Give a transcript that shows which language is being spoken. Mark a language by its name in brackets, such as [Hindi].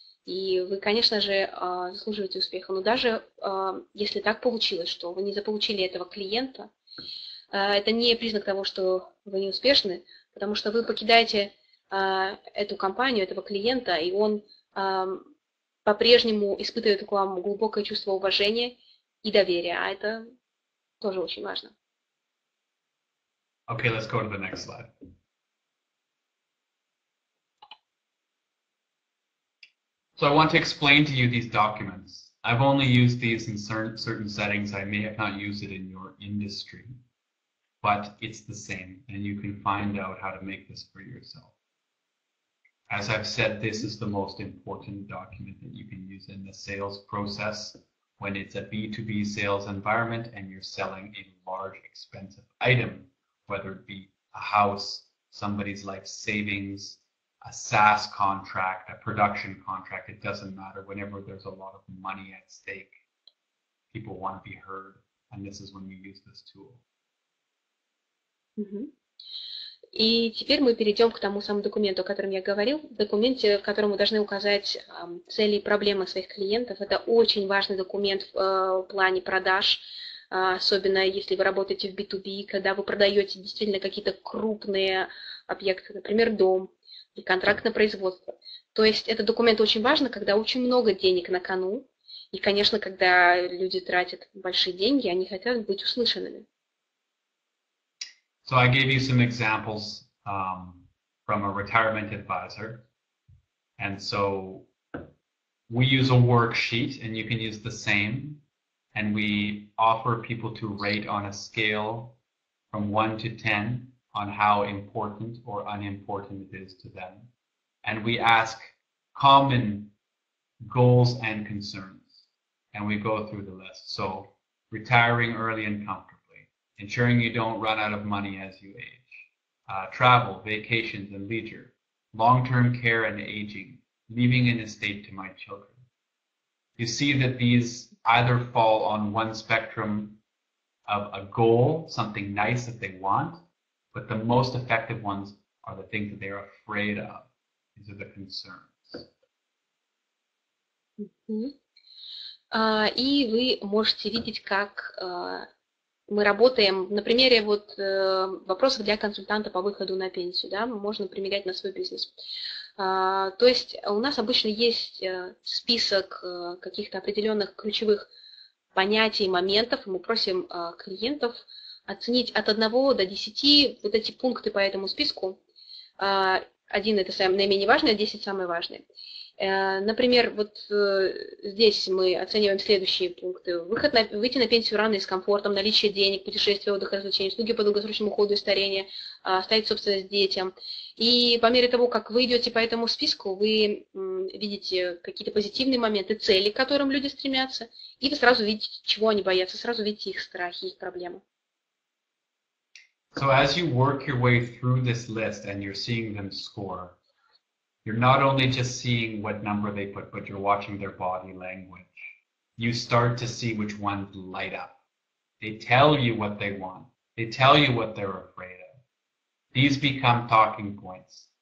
[Russian] И вы, конечно же, заслуживаете успеха. Но даже если так получилось, что вы не заполучили этого клиента, это не признак того, что вы не успешны, потому что вы покидаете эту компанию, этого клиента, и он по-прежнему испытывает к вам глубокое чувство уважения и доверия, а это тоже очень важно. [English] Okay, let's go to the next slide. So I want to explain to you these documents. I've only used these in certain settings. I may have not used it in your industry, but it's the same, and you can find out how to make this for yourself. As I've said, this is the most important document that you can use in the sales process when it's a B2B sales environment and you're selling a large, expensive item, whether it be a house, somebody's life savings, a SaaS contract, a production contract, it doesn't matter. Whenever there's a lot of money at stake, people want to be heard. And this is when you use this tool. [Russian] И теперь мы перейдем к тому самому документу, о котором я говорил. Документе, в котором вы должны указать цели и проблемы своих клиентов. Это очень важный документ в плане продаж. Особенно если вы работаете в B2B, когда вы продаете действительно какие-то крупные объекты, например, дом и контракт на производство. То есть этот документ очень важен, когда очень много денег на кону, и, конечно, когда люди тратят большие деньги, они хотят быть услышанными. [English] So I gave you some examples from a retirement advisor. And so we use a worksheet, and you can use the same. And we offer people to rate on a scale from 1 to 10 on how important or unimportant it is to them. And we ask common goals and concerns. And we go through the list. So retiring early and comfortably, ensuring you don't run out of money as you age, travel, vacations, and leisure, long-term care and aging, leaving an estate to my children. You see that these either fall on one spectrum of a goal, something nice that they want, but the most effective ones are the things that they are afraid of. These are the concerns. [Russian] И вы можете видеть, как мы работаем на примере вот вопросов для консультанта по выходу на пенсию, да, можно примерять на свой бизнес. То есть у нас обычно есть список каких-то определенных ключевых понятий, моментов, и мы просим клиентов оценить от 1 до 10 вот эти пункты по этому списку. Один это самый наименее важный, а 10 самые важные. Например, вот здесь мы оцениваем следующие пункты. Выйти на пенсию рано и с комфортом, наличие денег, путешествия, отдыха, развлечения, услуги по долгосрочному уходу и старению, оставить собственность детям. И по мере того, как вы идете по этому списку, вы видите какие-то позитивные моменты, цели, к которым люди стремятся, и вы сразу видите, чего они боятся, сразу видите их страхи, их проблемы. [English] So as you work your way through this list and you're seeing them score, you're not only just seeing what number they put, but you're watching their body language. You start to see which ones light up. They tell you what they want. They tell you what they're afraid of. These become talking points.